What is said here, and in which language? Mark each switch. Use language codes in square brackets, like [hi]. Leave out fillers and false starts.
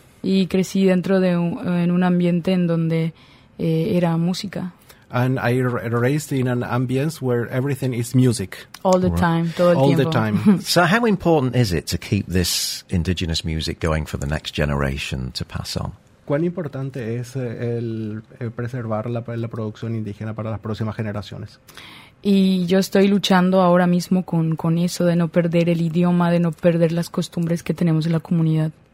[es] Y crecí dentro de un ambiente en donde era música. [en] And I raised in an ambience where everything is music. All the time, todo el tiempo. All the time. So how important is it to keep this indigenous music going for the next generation to pass on? [es] ¿Cuán importante es preservar la producción indígena para las próximas generaciones? Y yo estoy luchando ahora mismo con eso de no perder el idioma, de no perder las costumbres que tenemos en la comunidad.